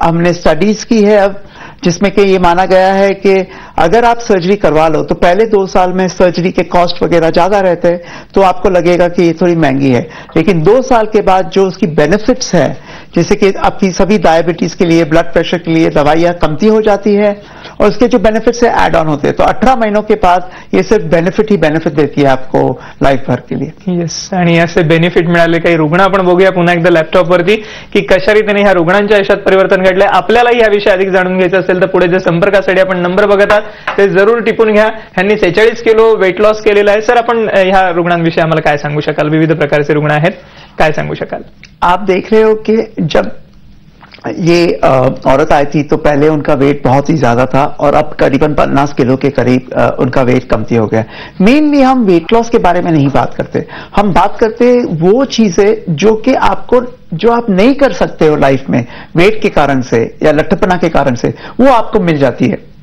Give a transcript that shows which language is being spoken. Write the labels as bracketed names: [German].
[Hindi] हमने स्टडीज की है अब जिसमें कि ये माना गया है कि अगर आप सर्जरी करवा लो तो पहले 2 साल में सर्जरी के कॉस्ट वगैरह ज्यादा रहते हैं तो आपको लगेगा कि ये थोड़ी महंगी है. लेकिन 2 साल के बाद जो उसकी बेनिफिट्स है जैसे कि आपकी सभी डायबिटीज के लिए, ब्लड प्रेशर के लिए दवाइयां कमती हो जाती है और उसके जो बेनिफिट है एड ऑन होते हैं, तो 18 महीनों के बाद ये सिर्फ बेनिफिट ही बेनिफिट देती है आपको लाइफ भर के लिए। [Marathi] यस, आणि असे बेनिफिट मिळाले काही रुग्ण आपण बघूया पुन्हा एकदा लॅपटॉप वरती की कशा रीतीने ह्या रुग्णांच्या आयुष्यात परिवर्तन घडले। आपल्यालाही या विषयी अधिक जाणून घ्यायचं असेल तर पुढे जे संपर्कासाठी आपण नंबर बघत आहात ते जरूर टिपून घ्या। ह्यांनी 46 किलो वेट लॉस केलेलं आहे। सर आपण ह्या रुग्णांविषयी आम्हाला काय सांगू शकाल, विविध प्रकारचे रुग्ण आहेत काय सांगू शकाल? [Hindi] आप देख रहे हो कि जब ये औरत आई थी तो पहले उनका वेट बहुत ही ज्यादा था और अब करीबन 50 किलो के करीब उनका वेट कमती हो गया। मेनली हम वेट लॉस के बारे में नहीं बात करते, हम बात करते वो चीजें जो कि आपको जो आप नहीं कर सकते हो लाइफ में वेट के कारण से या लठपना के कारण से, वो आपको मिल जाती है।